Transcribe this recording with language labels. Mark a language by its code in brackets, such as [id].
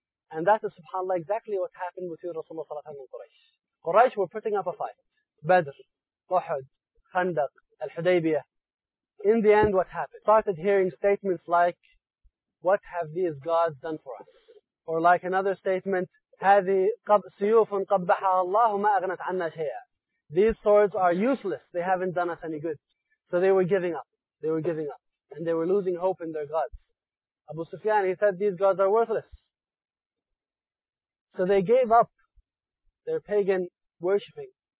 [en] And that is, subhanAllah, exactly what happened between Rasulullah صلى الله عليه وسلم and Quraysh. Quraysh were putting up a fight. Badr, Uhud, Khandaq, Al-Hudaybiyah. In the end, what happened? Started hearing statements like, what have these gods done for us? Or like another statement, [ar] هذه سيوف قبحها الله ما أغنت عنا شيئا. [en] These swords are useless. They haven't done us any good. So they were giving up. They were giving up. And they were losing hope in their gods. Abu Sufyan, he said, these gods are worthless. So they gave up their pagan worshipping.